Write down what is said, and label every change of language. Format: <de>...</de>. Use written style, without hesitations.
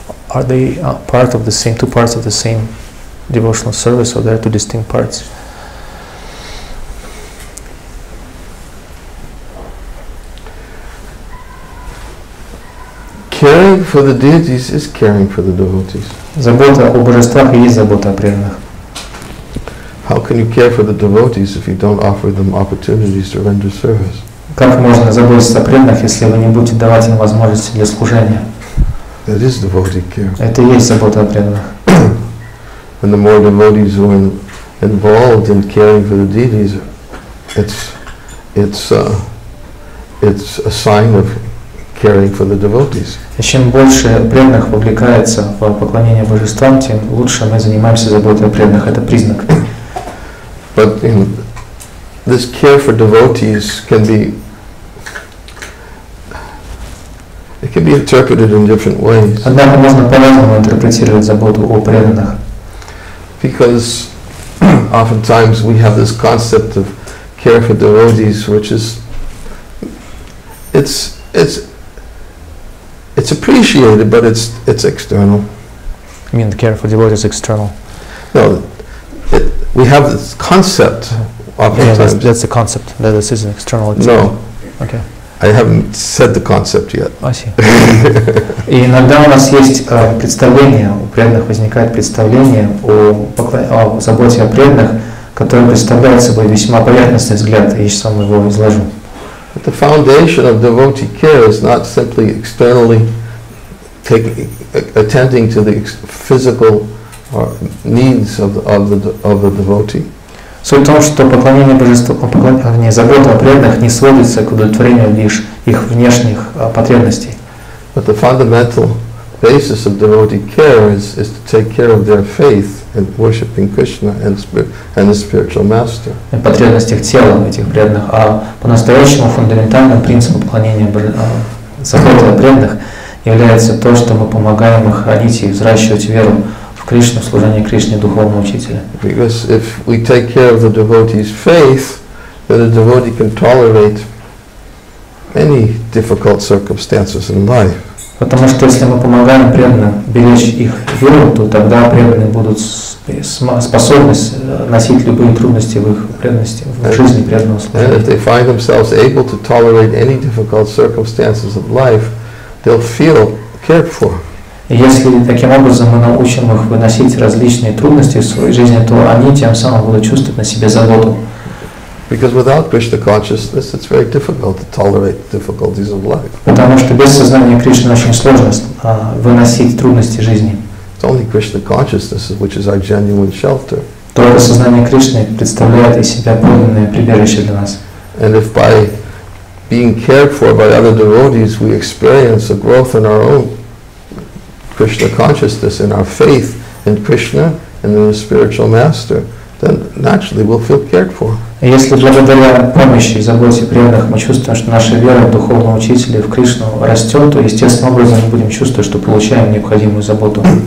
<en>Are they part of the same, two parts of the same devotional service, or they are two distinct parts? Caring for the deities is caring for the devotees.</en> <ru>Забота о божествах и есть забота о преданных.</ru> <en>How can you care for the devotees if you don't offer them opportunities to render service?</en> <ru>Как можно заботиться о преданных, если вы не будете давать им возможности для служения?</ru> <en>That is devotee care.</en> <ru>Это и есть забота о преданных.</ru> <en>And the more devotees who are involved in caring for the deities, it's a sign of caring for the devotees.</en> <ru>И чем больше преданных вовлекается в поклонение божествам, тем лучше мы занимаемся заботой о преданных. Это признак.</ru> <en>But in this care for devotees can be it can be interpreted in different ways.</en> <ru>Однако можно по-разному интерпретировать заботу о преданных.</ru> <en>Because oftentimes we have this concept of care for devotees, which is it's appreciated, but it's external. You mean the care for devotees external? No, we have this concept. Oftentimes. Yeah, that's the concept. That this is an external. No. Okay. I haven't said the concept yet. I see.</en> <ru>И иногда у нас есть представление, у преданных возникает представление о заботе о преданных, которое представляет собой весьма поверхностный взгляд, и я сам его изложу.</ru> <en>But the foundation of devotee care is not simply externally attending to the physical needs of the devotee.</en> <ru>Суть в том, что поклонение божествам, поклонение, забота о преданных не сводится к удовлетворению лишь их внешних потребностей.</ru> <en>But the fundamental basis of devotee care is to take care of their faith in worshiping Krishna and the spiritual master.</en> <ru>И потребность их тела, этих преданных, а по-настоящему фундаментальным принципом поклонения заботы о преданных является то, что мы помогаем их хранить и взращивать веру Кришна, служение Кришне, духовному учителю.</ru> <en>Because if we take care of the devotee's faith, then the devotee can tolerate many difficult circumstances in life.</en> <ru>Потому что если мы помогаем преданным беречь их веру, то тогда преданные будут способность носить любые трудности в их преданности, в жизни преданного служения.</ru> <en>And if they find themselves able to tolerate any difficult circumstances of life, they'll feel cared for.</en> <ru>Если таким образом мы научим их выносить различные трудности в своей жизни, то они тем самым будут чувствовать на себе заботу.</ru> <en>Because without Krishna consciousness, it's very difficult to tolerate the difficulties of life.</en> <ru>Потому что без сознания Кришны очень сложно выносить трудности жизни.</ru> <en>It's only Krishna consciousness, which is our genuine shelter.</en> <ru>Только сознание Кришны представляет из себя подлинное прибежище для нас.</ru> <en>And if by being cared for by other devotees, we experience a growth in our own Krishna consciousness in our faith in Krishna and in the spiritual master, then naturally we'll feel cared for.</en> <ru>Если благодаря помощи и заботе преданных мы чувствуем, что наша вера в духовного учителя в Кришну растет, то естественным образом мы будем чувствовать, что получаем необходимую заботу.</ru>